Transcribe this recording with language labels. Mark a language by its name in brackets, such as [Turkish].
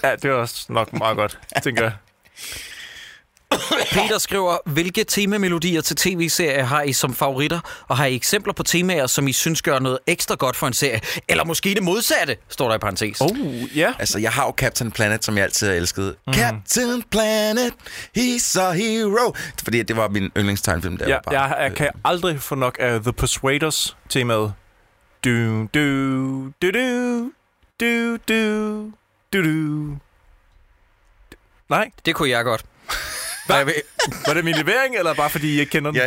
[Danish] Ja, det var også nok meget godt, tænker jeg. Peter skriver, hvilke temamelodier til tv-serier har I som favoritter? Og har I eksempler på temaer, som I synes gør noget ekstra godt for en serie? Eller måske det modsatte, står der i parentes. Altså, jeg har jo Captain Planet, som jeg altid har elsket. Mm. [English] Captain Planet, he's a hero. [Danish] Fordi det var min yndlingstegnfilm, der var bare... Jeg kan aldrig få nok af The Persuaders-temaet. Du du du du du du du du. Nej, det kunne jeg godt. Var det min levering eller bare fordi jeg kender den?